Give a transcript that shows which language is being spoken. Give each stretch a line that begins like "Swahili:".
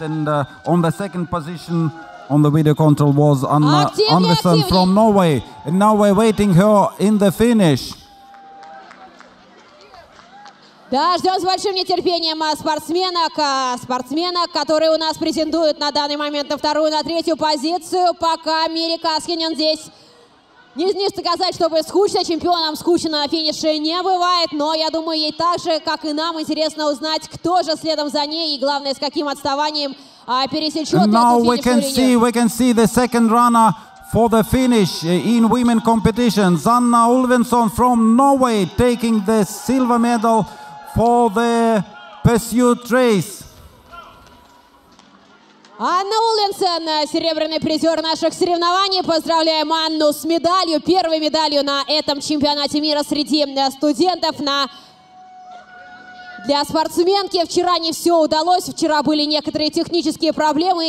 English: And on the second position on the video control was Anna Andersen from Norway. And now we're waiting her in the finish.
Russian: Да, ждем с большим нетерпением спортсменок, которые у нас претендуют на данный момент на вторую, на третью позицию. Пока Мири Каскинен здесь не сказать, чтобы скучно, чемпионам скучно на финише не бывает, но я думаю, ей так же, как и нам, интересно узнать, кто же следом за ней и, главное, с каким отставанием пересечет эту финишную линию.
English: We can see the second runner for the finish in women competition. Anna Ulvensson from Norway taking the silver medal for the pursuit race.
Russian: Анна Уллинсон, серебряный призер наших соревнований. Поздравляем Анну с медалью, первой медалью на этом чемпионате мира среди студентов. Для спортсменки вчера не все удалось. Вчера были некоторые технические проблемы.